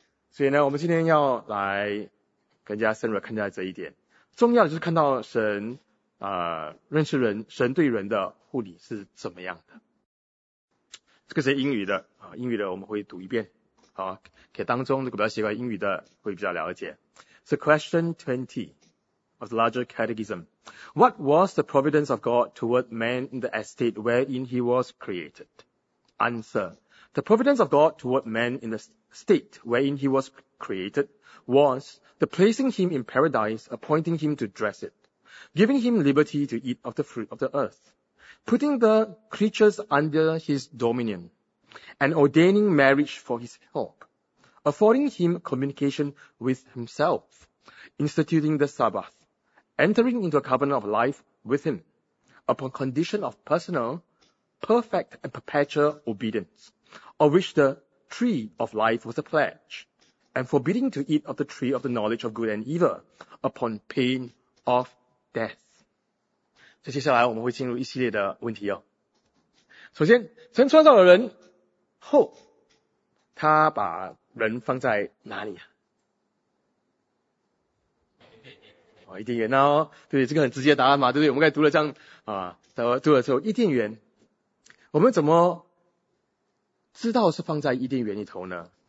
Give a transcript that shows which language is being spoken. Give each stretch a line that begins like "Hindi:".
Chinese: 所以呢，我们今天要来更加深入看待这一点，重要就是看到神认识人，神对人的护理是怎么样的。这个是英语的啊，英语的我们会读一遍啊，给当中如果比较喜欢英语的会比较了解。
English: So question 20 of the larger catechism. What was the providence of God toward man in the estate wherein he was created? Answer. The providence of God toward man in the state wherein he was created was the placing him in paradise, appointing him to dress it, giving him liberty to eat of the fruit of the earth, putting the creatures under his dominion, and ordaining marriage for his help, affording him communication with himself, instituting the Sabbath, entering into a covenant of life with him, upon condition of personal, perfect and perpetual obedience, of which the tree of life was a pledge, and forbidding to eat of the tree of the knowledge of good and evil, upon pain of death.
Chinese: 所以接下来我们会进入一系列的问题哦。首先，神创造了人后，他把人放在哪里啊？伊甸园哦，对，这个很直接的答案嘛，对不对？我们刚才读了这样啊，读了之后伊甸园，我们怎么知道是放在伊甸园里头呢？